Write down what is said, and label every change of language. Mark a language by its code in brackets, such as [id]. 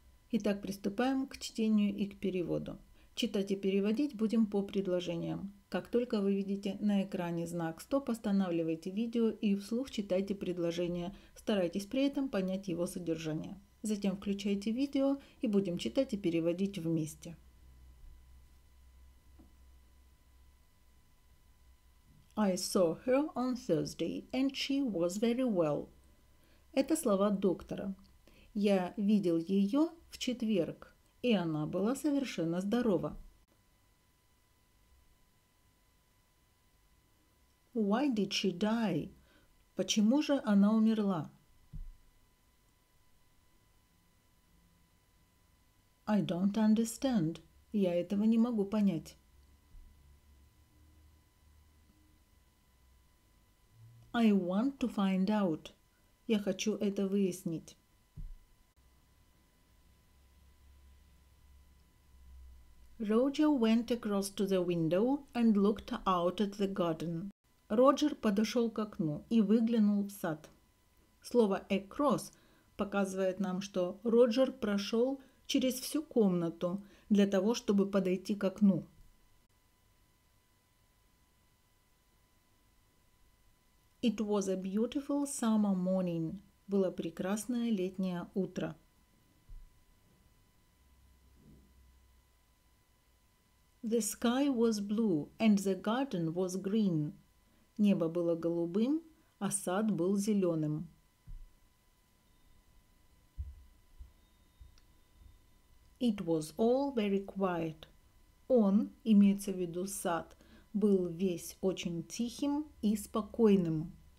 [ru] Итак, приступаем к чтению и к переводу. Читать и переводить будем по предложениям. Как только вы видите на экране знак «Стоп», останавливайте видео и вслух читайте предложение. Старайтесь при этом понять его содержание. Затем включайте видео и будем читать и переводить вместе. [en] I saw her on Thursday, and she was very well. [ru] Это слова доктора. Я видел ее в четверг, и она была совершенно здорова. [en] Why did she die? [ru] Почему же она умерла? [en] I don't understand. [ru] Я этого не могу понять. [en] I want to find out. [ru] Я хочу это выяснить. [en] Roger went across to the window and looked out at the garden. [ru] Роджер подошел к окну и выглянул в сад. Слово across показывает нам, что Роджер прошел через всю комнату для того, чтобы подойти к окну. [en] It was a beautiful summer morning. [ru] Было прекрасное летнее утро. [en] The sky was blue and the garden was green. [ru] Небо было голубым, а сад был зеленым. [en] It was all very quiet. [ru] Он, имеется в виду сад, был весь очень тихим и спокойным.